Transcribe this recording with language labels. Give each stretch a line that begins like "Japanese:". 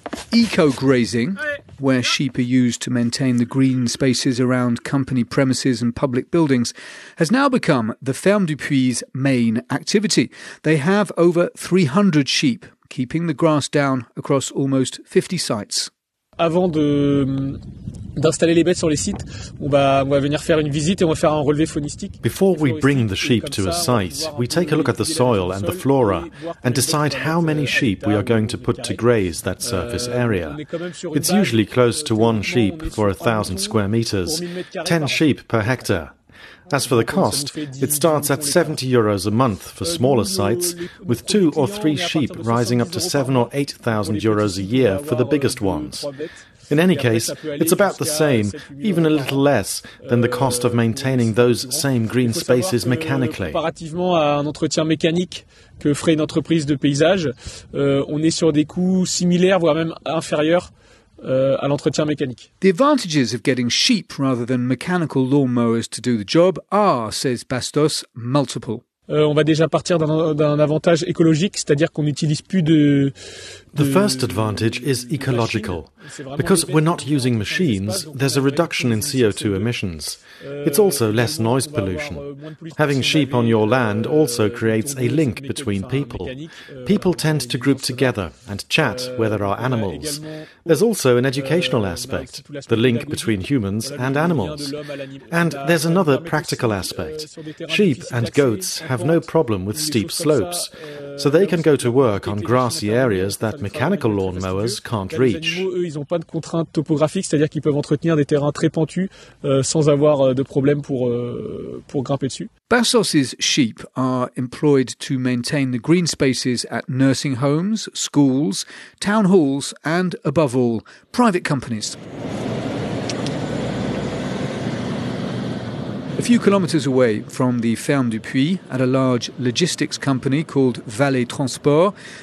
English: Eco-grazing, where sheep are used to maintain the green spaces around company premises and public buildings, has now become the Ferme du Puy's main activity. They have over 300 sheep, keeping the grass down across almost 50 sites.
French: Avant de d'installer les bêtes sur les sites, on va venir faire une visite et on va faire un relevé faunistique.
English: Before we bring the sheep to a site, we take a look at the soil and the flora and decide how many sheep we are going to put to graze that surface area. It's usually close to one sheep for 1,000 square meters, 10 sheep per hectare. As for the cost, it starts at 70 euros a month for smaller sites, with 2 or 3 sheep rising up to 7 or 8,000 euros a year for the biggest ones. In any case, it's about the same, even a little less, than the cost of maintaining those same green spaces mechanically.
French: Comparativement à un entretien mécanique que ferait une entreprise de paysage, on est sur des coûts similaires, voire même inférieurs.
English: The advantages of getting sheep rather than mechanical lawnmowers to do the job are, says Bastos, multiple.
French: On va déjà partir d'un avantage écologique, c'est-à-dire qu'on n'utilise plus de.
English: The first advantage is ecological. Because we're not using machines, there's a reduction in CO2 emissions. It's also less noise pollution. Having sheep on your land also creates a link between people. People tend to group together and chat where there are animals. There's also an educational aspect, the link between humans and animals. And there's another practical aspect. Sheep and goats have no problem with steep slopes, so they can go to work on grassy areas that mechanical lawnmowers can't reach.
French: Ils n'ont pas de contraintes topographiques, c'est-à-dire qu'ils peuvent entretenir des terrains très pentus sans avoir de problème pour grimper dessus.
English: Bassos's sheep are employed to maintain the green spaces at nursing homes, schools, town halls, and above all, private companies. A few kilometres away from the Ferme du Puy, at a large logistics company called Valet Transport,